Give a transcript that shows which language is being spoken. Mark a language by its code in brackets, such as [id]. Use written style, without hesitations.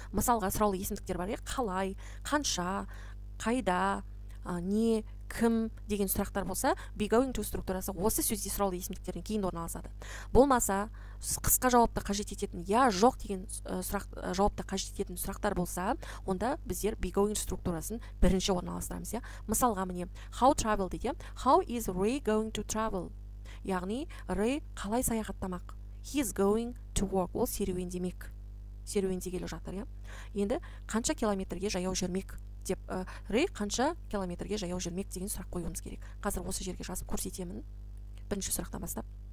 [kk] Мысалға, сұраулы есімдіктер бар, қалай, қанша, қайда, не, кім деген сұрақтар болса, be going to структурасы осы сөзде сұраулы есімдіктерден кейін орналасады. Болмаса, қысқа жауапты қажет ететін, я, жоқ деген жауапты қажет ететін сұрақтар болса, онда біздер be going структурасын бірінші орналастырамыз. Я. Мысалға міне, [en] how travel [kk] дейді. [en] How is Ray going to travel? [kk] Яғни, Ray қалай саяхаттамақ? [en] He is going to work. [kk] Ол серуендемек. Серуендегелі жатыр. Я. Енді, қанша километрге жаяу жүрмек? Деп, Ray қанша километрге жаяу жүрмек деген сұрақ қоюымыз керек. Қазір осы жерге жазып көрсетемін. Бірінші сұрақтан бастап.